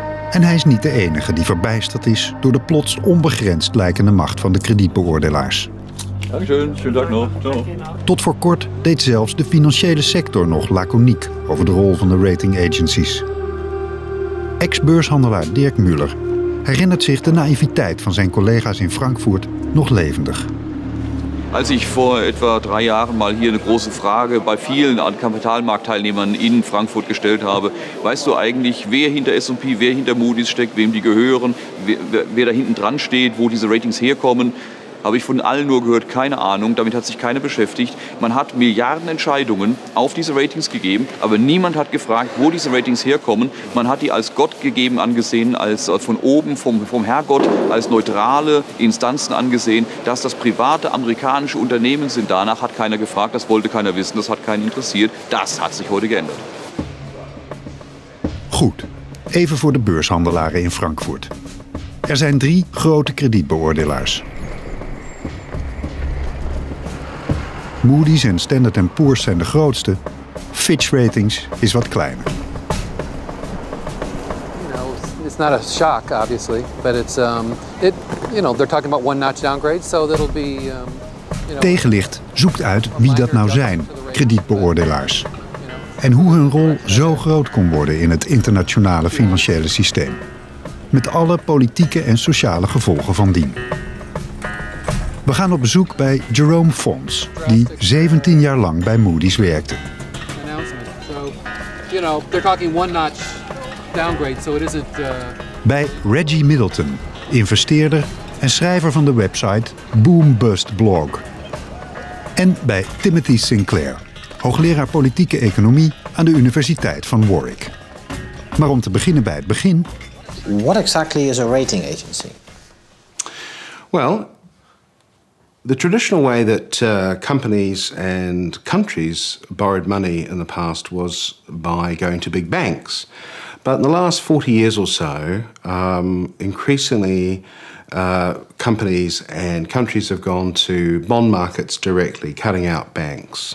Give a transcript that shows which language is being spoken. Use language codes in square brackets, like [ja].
[nl] En hij is niet de enige die verbijsterd is door de plots onbegrensd lijkende macht van de kredietbeoordelaars. Tot voor kort deed zelfs de financiële sector nog laconiek over de rol van de rating agencies. Ex-beurshandelaar Dirk Müller herinnert zich de naïviteit van zijn collega's in Frankfurt nog levendig. [de] Als ich vor etwa drei Jahren mal hier eine große Frage bei vielen an Kapitalmarktteilnehmern in Frankfurt gestellt habe, weißt du eigentlich, wer hinter S&P, wer hinter Moody's steckt, wem die gehören, wer da hinten dran steht, wo diese Ratings herkommen, habe ich von allen nur gehört, keine Ahnung, damit hat sich keiner beschäftigt. Man hat Milliarden Entscheidungen auf diese Ratings gegeben, aber niemand hat gefragt, wo diese Ratings herkommen. Man hat die als Gott gegeben angesehen, als von oben, vom Herrgott, als neutrale Instanzen angesehen. Dass das private amerikanische Unternehmen sind, danach hat keiner gefragt, das wollte keiner wissen, das hat keinen interessiert. Das hat sich heute geändert. [nl] Gut, even voor de beurshandelaren in Frankfurt. Er zijn drie grote kredietbeoordelaars. Moody's en Standard & Poor's zijn de grootste. Fitch Ratings is wat kleiner. [en] You know, it's not a shock, obviously, but it's they're talking about one notch downgrade, so that'll be. [nl] Tegenlicht zoekt uit wie dat nou zijn, kredietbeoordelaars, en hoe hun rol zo groot kon worden in het internationale financiële systeem, met alle politieke en sociale gevolgen van dien. We gaan op bezoek bij Jerome Fons, die 17 jaar lang bij Moody's werkte. Bij Reggie Middleton, investeerder en schrijver van de website Boom Bust Blog. En bij Timothy Sinclair, hoogleraar politieke economie aan de Universiteit van Warwick. Maar om te beginnen bij het begin. [en] What exactly is a rating agency? Well, the traditional way that companies and countries borrowed money in the past was by going to big banks. But in the last 40 years or so, increasingly companies and countries have gone to bond markets directly, cutting out banks.